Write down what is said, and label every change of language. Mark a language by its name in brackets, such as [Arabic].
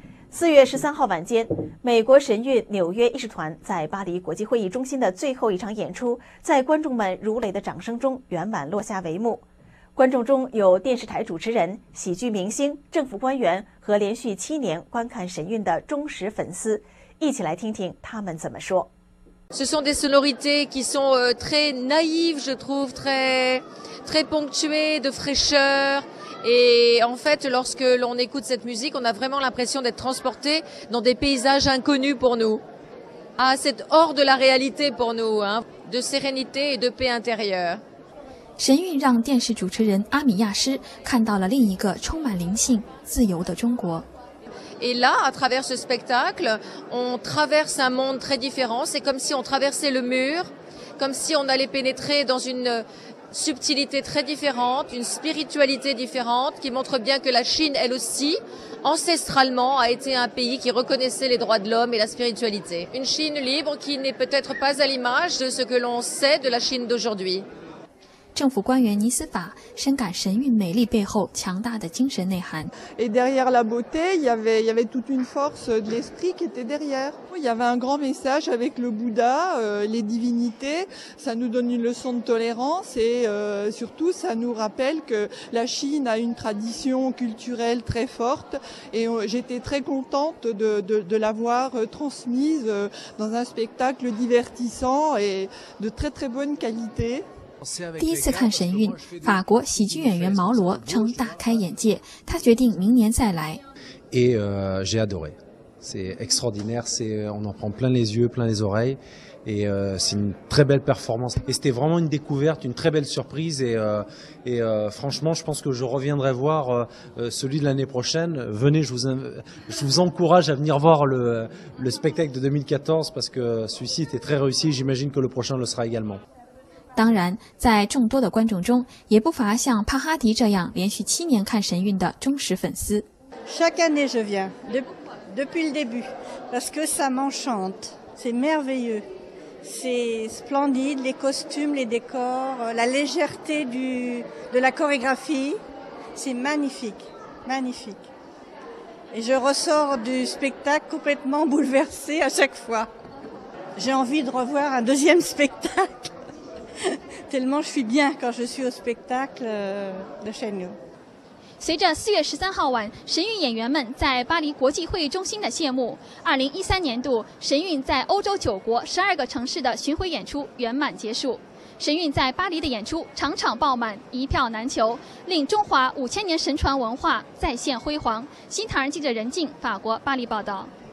[Chinese] 4月13号晚间，美国神韵纽约艺术团在巴黎国际会议中心的最后一场演出，在观众们如雷的掌声中圆满落下帷幕。观众中有电视台主持人、喜剧明星、政府官员和连续七年观看神韵的忠实粉丝，一起来听听他们怎么说。 [French] Ce sont des sonorités qui sont très naïves, je trouve, très ponctuées de fraîcheur. Et en fait, lorsque l'on écoute cette musique, on a vraiment l'impression d'être transporté dans des paysages inconnus pour nous. Ah, c'est hors de la réalité pour nous, hein, de sérénité et de paix intérieure. [Chinese] 神韵让电视主持人阿米亚诗看到了另一个充满灵性、自由的中国。 [French] Et là, à travers ce spectacle, on traverse un monde très différent. C'est comme si on traversait le mur, comme si on allait pénétrer dans une subtilité très différente, une spiritualité différente, qui montre bien que la Chine, elle aussi, ancestralement, a été un pays qui reconnaissait les droits de l'homme et la spiritualité. Une Chine libre qui n'est peut-être pas à l'image de ce que l'on sait de la Chine d'aujourd'hui. [Chinese] 政府官员尼斯法深感神韵美丽背后强大的精神内涵。 [French] Et derrière la beauté, il y avait toute une force de l'esprit qui était derrière. Il y avait un grand message avec le Bouddha, les divinités. Ça nous donne une leçon de tolérance et surtout ça nous rappelle que la Chine a une tradition culturelle très forte. Et j'étais très contente de l'avoir transmise dans un spectacle divertissant et de très très bonne qualité. [Chinese] 第一次看神韵，法国喜剧演员毛罗称大开眼界，他决定明年再来。 [French] Et j'ai adoré. C'est extraordinaire. C'est on en prend plein les yeux, plein les oreilles. Et c'est une très belle performance. Et c'était vraiment une découverte, une très belle surprise. Et franchement, je pense que je reviendrai voir celui de l'année prochaine. Venez, je vous encourage à venir voir le spectacle de 2014 parce que celui-ci était très réussi. J'imagine que le prochain le sera également. [Chinese] 当然，在众多的观众中，也不乏像帕哈迪这样连续七年看神韵的忠实粉丝。 [French] Chaque année je viens, depuis le début, parce que ça m'enchante, c'est merveilleux, c'est splendide, les costumes, les décors, la légèreté de la chorégraphie, c'est magnifique, magnifique. Et je ressors du spectacle complètement bouleversé à chaque fois. J'ai envie de revoir un deuxième spectacle. Tellement je suis bien quand je suis au spectacle de Shenyu. [Chinese] 随着4月13号晚神韵演员们在巴黎国际会议中心的谢幕，2013年度神韵在欧洲9国12个城市的巡回演出圆满结束。神韵在巴黎的演出场场爆满，一票难求，令中华5000年神传文化再现辉煌。新唐人记者任静，法国巴黎报道。